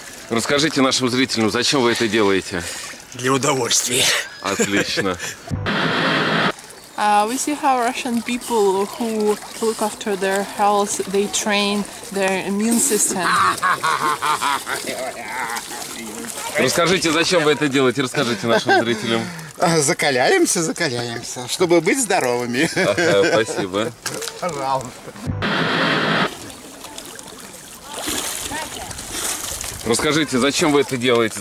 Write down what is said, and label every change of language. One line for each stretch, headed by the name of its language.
Russian: Расскажите нашим зрителям, зачем вы это делаете? Для удовольствия. Отлично.
English: We see how Russian people who look after their health, they train their immune system.
Russian: Расскажите, зачем вы это делаете? Расскажите нашим зрителям. Закаляемся, закаляемся, чтобы быть здоровыми. Спасибо. Пожалуйста. Расскажите, зачем вы это делаете?